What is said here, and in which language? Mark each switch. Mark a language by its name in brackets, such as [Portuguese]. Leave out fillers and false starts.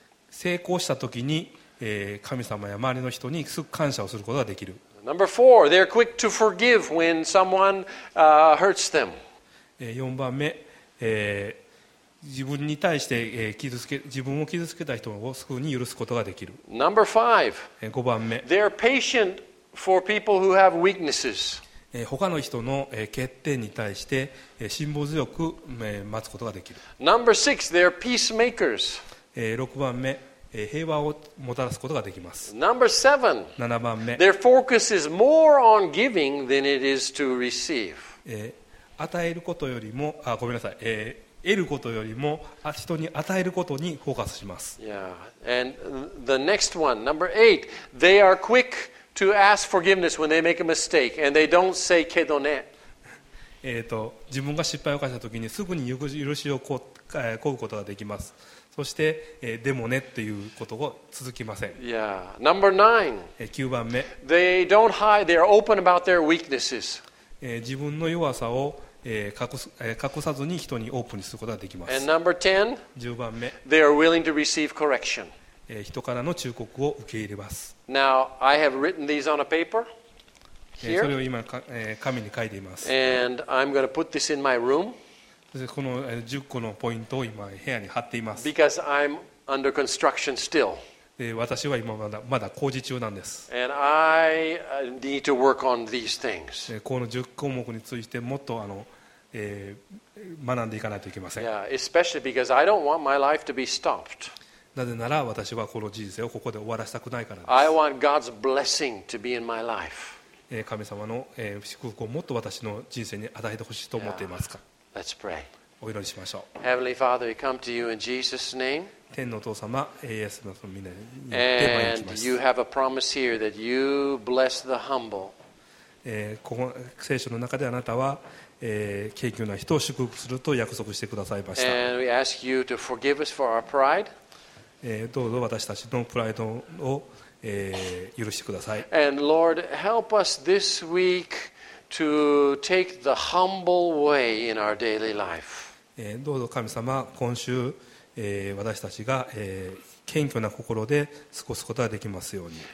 [Japanese] 成功したときに、神様や周りの人にすぐ感謝をすることができる。 [English] Number four, they are quick to forgive when someone, hurts them. [Japanese] 4番目、自分に対して、自分を傷つけた人をすぐに許すことができる。 [English] Number five, [Japanese] 5番目、 [English] They are patient for people who have weaknesses. [Japanese] 他の人の欠点に対して、辛抱強く、待つことができる。 [English] Number six, They are peacemakers. [Japanese] 6番目、平和をもたらすことができます。 [English] Number seven, [Japanese] 7番目、 [English] Their focus is more on giving than it is to receive. [Japanese] 与えることよりも、あ、ごめんなさい、得ることよりも人に与えることにフォーカスします。 [English] Yeah. And the next one, number eight, they are quick to ask forgiveness when they make a mistake, and they don't say [Japanese] けどね。自分が失敗を犯したときにすぐに許しを請うことができます。そして、でもねっていうことを続きません。 [English] Yeah. Number nine, [Japanese] 9番目。 [English] They don't hide, they are open about their weaknesses. [Japanese] 自分の弱さを隠さずに人にオープンにすることができます。 [English] And number 10, [Japanese] 10番目、 [English] They are willing to receive correction. [Japanese] 人からの忠告を受け入れます。 [English] Now, I have written these on a paper here. [Japanese] それを今、紙に書いています。 [English] And I'm going to put this in my room. [Japanese] この10個のポイントを今、部屋に貼っています。 [English] Because I'm under construction still. [Japanese] 私は今まだ工事中なんです。 [English] And I need to work on these things. [Japanese] この10項目についてもっと学んでいかないといけません。 [English] Yeah, especially because I don't want my life to be stopped. [Japanese] なぜなら私はこの人生をここで終わらせたくないからです。 [English] I want God's blessing to be in my life. [Japanese] 神様の祝福をもっと私の人生に与えてほしいと思っていますか。 [English] Yeah. Let's pray. [Japanese] お祈りしましょう。 [English] Heavenly Father, we come to you in Jesus' name. [Japanese] 天のお父様、イエスの皆に手前に来ます。 [English] And you have a promise here that you bless the humble. [Japanese] ここ聖書の中であなたは、謙虚な人を祝福すると約束してくださいました。 [English] And we ask you to forgive us for our pride. [Japanese] どうぞ私たちのプライドを、許してください。 [English] And Lord, help us this week to take the humble way in our daily life. [Japanese] どうぞ神様、今週私たちが、謙虚な心で過ごすことができますように。